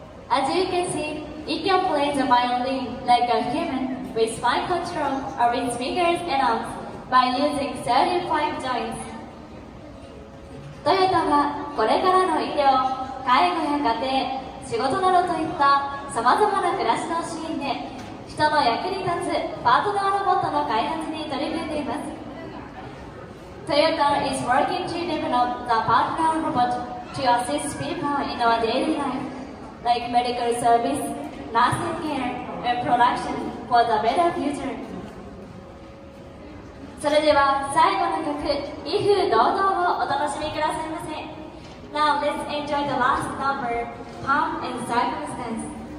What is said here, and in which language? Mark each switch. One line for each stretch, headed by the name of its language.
English: As you can see, it can play the violin like a human with fine control of its fingers and arms by using 35 joints.
Japanese: Toyota はこれからの医療、介護や家庭、仕事などといったさまざまな暮らしのシーンで人の役に立つパートナーロボットの開発に取り組んでいます。
English: Toyota is working to develop the partner robot to assist people in our daily life, like medical service, nursing care, and production for the better future.
Japanese: それでは最後の曲、威風堂々をお楽しみくださいませ。
English: Now let's enjoy the last number, Palm and Circumstance.